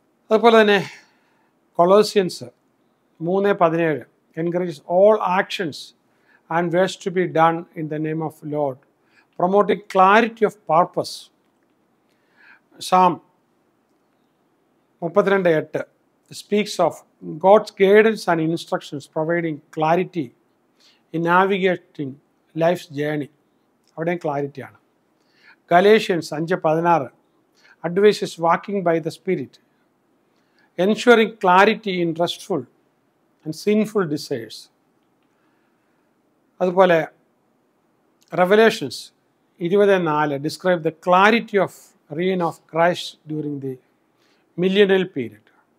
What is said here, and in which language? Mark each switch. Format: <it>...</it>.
<ml>അതുപോലെ തന്നെ</ml> <en>Colossians 3:17 encourage all actions and ways to be done in the name of Lord promoting clarity of purpose. Psalm 32:8 speaks of God's guidance and instructions providing clarity in navigating life's journey.</en> <ml>അവിടെ ക്ലാരിറ്റിയാണ്.</ml> <en>Galatians 5:16 advises walking by the spirit, ensuring clarity in restful and sinful desires. അതുപോലെ Revelations 20:4 describe the clarity of reign of Christ during the millennial period.</en>